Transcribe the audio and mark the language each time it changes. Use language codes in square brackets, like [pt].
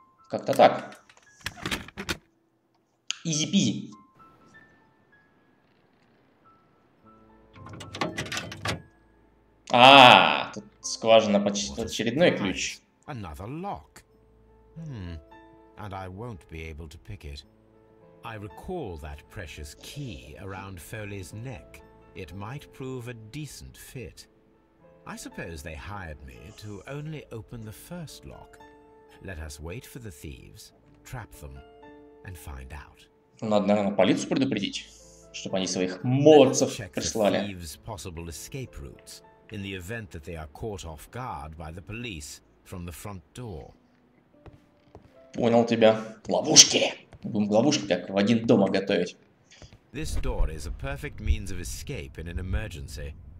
[ru] Как-то так. Изи-пизи. А, тут скважина почти очередной ключ. [en] Another lock. And I won't be able to pick it. I recall that precious key around Foley's neck. It might prove a decent fit. I suppose they hired me to only open the first lock. Let us wait for the thieves, trap them, and find out. [ru] Надо, наверное, полицию предупредить, чтобы они своих молодцев прислали. [en] The thieves' possible escape routes. In the event that they are caught off guard by the police from the front door. [ru] Понял тебя. Ловушки. Будем ловушки как в один дома готовить. [en] This door is a perfect means of escape in an emergency.